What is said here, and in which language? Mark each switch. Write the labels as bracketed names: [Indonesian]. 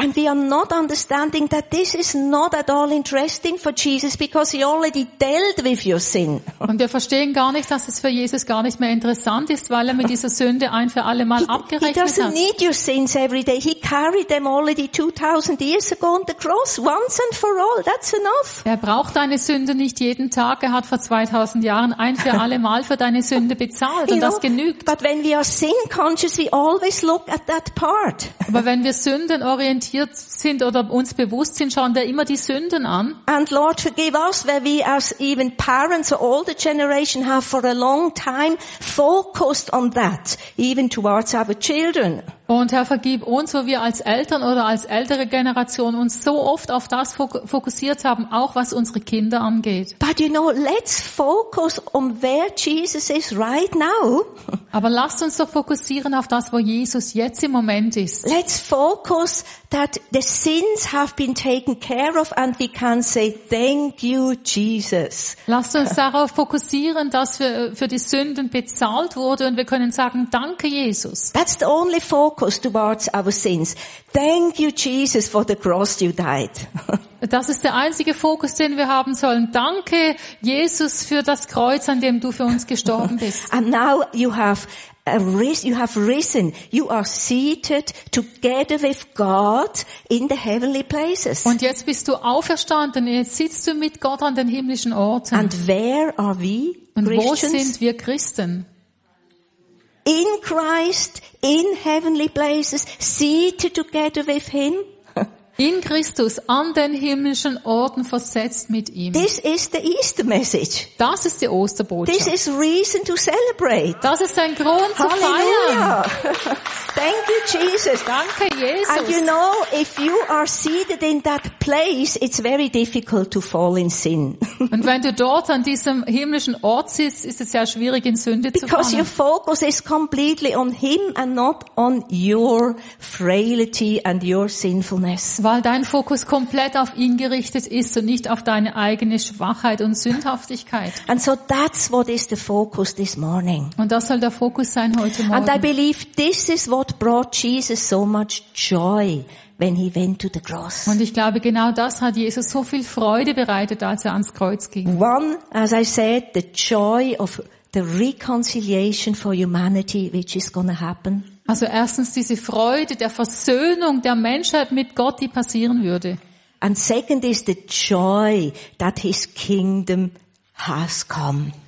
[English] And we are not understanding that this is not at all interesting for Jesus because he already dealt with your sin. [German] Und wir verstehen gar nicht, dass es für Jesus gar nicht mehr interessant ist, weil er mit dieser Sünde ein für alle Mal abgerechnet hat. [English] He doesn't need your sins every day. He carried them already 2000 years ago on the cross once and for all. That's enough. [German] Er braucht deine Sünde nicht jeden Tag. Er hat vor 2000 Jahren ein für alle Mal für deine Sünde bezahlt und das genügt. [English] But when we are sin conscious, we always look at that part. [German] Aber wenn wir sündenorientiert sind oder uns bewusst sind, schauen wir immer die Sünden an. [English] And Lord, forgive us, where we as even parents or older generation have for a long time focused on that, even towards our children. [German] Und Herr, vergib uns, wo wir als Eltern oder als ältere Generation uns so oft auf das fokussiert haben, auch was unsere Kinder angeht. [English] But you know, let's focus on where Jesus is right now. [German] Aber lasst uns doch fokussieren auf das, wo Jesus jetzt im Moment ist. [English] Let's focus that the sins have been taken care of and we can say thank you, Jesus. [German] Lasst uns darauf fokussieren, dass wir für die Sünden bezahlt wurde und wir können sagen, danke, Jesus. [English] That's the only focus towards our sins. Thank you, Jesus, for the cross you died. [German] Das ist der einzige Fokus, den wir haben sollen. Danke, Jesus, für das Kreuz, an dem du für uns gestorben bist. [English] And now you have risen. You are seated together with God in the heavenly places. [German] Und jetzt bist du auferstanden. Jetzt sitzt du mit Gott an den himmlischen Orten. [English] And where are we Christians? [German] Und wo sind wir Christen? [English] In Christ, in heavenly places, seated together with him. [German] In Christus, an den himmlischen Orten versetzt mit ihm. [English] This is the Easter message. [German] Das ist die Osterbotschaft. [English] This is reason to celebrate. [German] Das ist ein Grund zu feiern. [English] Thank you, Jesus. [German] Danke, Jesus. [English] And you know, if you are seated in that place, it's very difficult to fall in sin. [German] Und wenn du dort an diesem himmlischen Ort sitzt, ist es sehr schwierig, in Sünde zu fallen. [English] Because your focus is completely on him and not on your frailty and your sinfulness. [German] Weil dein Fokus komplett auf ihn gerichtet ist und nicht auf deine eigene Schwachheit und Sündhaftigkeit. [English] And so that's what is the focus this morning. [German] Und das soll der Fokus sein heute Morgen. [English] And I believe this is what brought Jesus so much joy when he went to the cross. [German] Und ich glaube, genau das hat Jesus so viel Freude bereitet, als er ans Kreuz ging. [English] One, as I said, the joy of the reconciliation for humanity, which is going to happen. [German] Also erstens diese Freude der Versöhnung der Menschheit mit Gott, die passieren würde. [English] And second is the joy that his kingdom has come.